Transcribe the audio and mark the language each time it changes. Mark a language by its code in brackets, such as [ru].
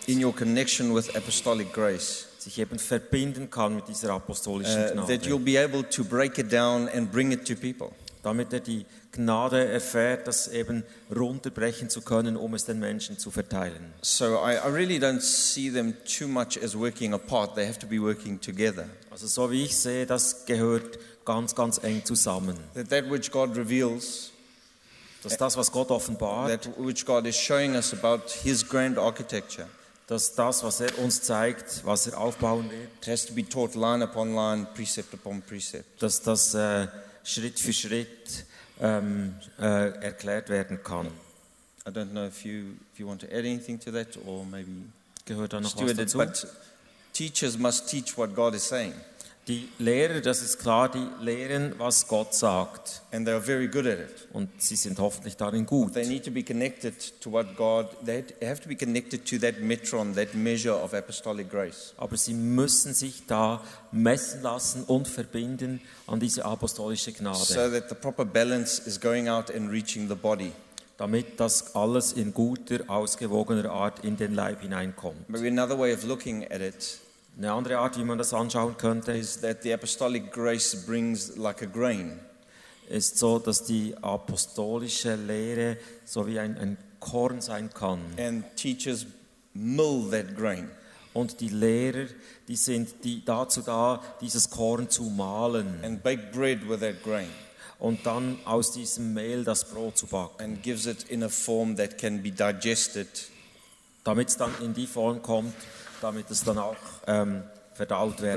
[en] in your connection with apostolic grace, [de] sich eben verbinden kann mit dieser apostolischen Gnade. [en] That you'll be able to break it down and bring it to people. [de] Damit er die Gnade erfährt, das eben runterbrechen zu können, um es den Menschen zu verteilen. [en] So I really don't see them too much as working apart. They have to be working together. [de] Also so wie ich sehe, das gehört ganz, ganz eng zusammen. [en] That which God reveals, [de] dass das, was Gott offenbart, [en] that which God is showing us about his grand architecture, [de] dass das, was er uns zeigt, was er aufbauen wird, [en] has to be taught line upon line, precept upon precept. [de] Dass das Schritt für Schritt erklärt werden kann. [en] I don't know if you want to add anything to that or maybe [de] gehört da noch Stuart, was dazu? [en] But teachers must teach what God is saying. [de] Die Lehrer, das ist klar, die lehren, was Gott sagt. [en] And they are very good at it. [de] Und sie sind hoffentlich darin gut. [en] they need to be connected to what God, they have to be connected to that metron, that measure of apostolic grace. [de] Aber sie müssen sich da messen lassen und verbinden an diese apostolische Gnade. [en] So that the proper balance is going out and reaching the body. [de] Damit das alles in guter, ausgewogener Art in den Leib hineinkommt. [en] Maybe another way of looking at it, [de] eine andere Art, wie man das anschauen könnte, [en] is that the apostolic grace brings like a grain. [de] Ist so, dass die apostolische Lehre so wie ein Korn sein kann. [en] And teachers mill that grain. [de] Und die Lehrer, die sind die dazu da, dieses Korn zu mahlen. [en] And bake bread with that grain. [de] Und dann aus diesem Mehl das Brot zu backen. [en] And gives it in a form that can be digested. [de] Damit es dann in die Form kommt, damit es dann auch verdaut werden